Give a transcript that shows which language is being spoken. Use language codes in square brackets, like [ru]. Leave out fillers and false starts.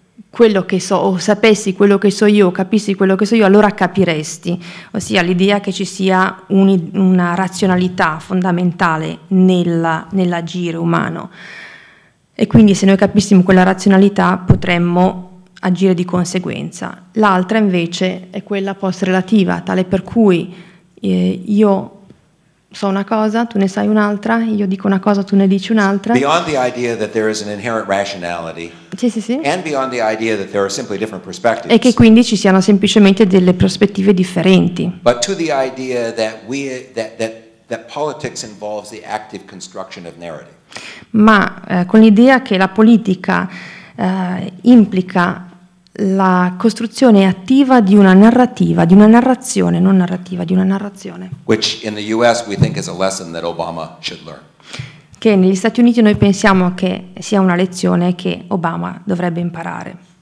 [it] quello che so, o sapessi quello che so io, o capissi quello che so io, allora capiresti, ossia l'idea che ci sia una razionalità fondamentale nell'agire umano. E quindi se noi capissimo quella razionalità potremmo agire di conseguenza. L'altra invece è quella post-relativa, tale per cui io so una cosa, tu ne sai un'altra, io dico una cosa, tu ne dici un'altra. [en] Beyond the idea that there is an inherent rationality. [it] Sì, sì, sì. [en] And beyond the idea that there are simply different perspectives. [it] E che quindi ci siano semplicemente delle prospettive differenti. [en] But to the idea that that politics involves the active construction of narrative. [it] Ma con l'idea che la politica implica la costruzione attiva di una narrativa, di una narrazione, non narrativa, di una narrazione. [en] Which in the US we think is a lesson that Obama should learn. [it] Che negli Stati Uniti noi pensiamo che sia una lezione che Obama dovrebbe imparare.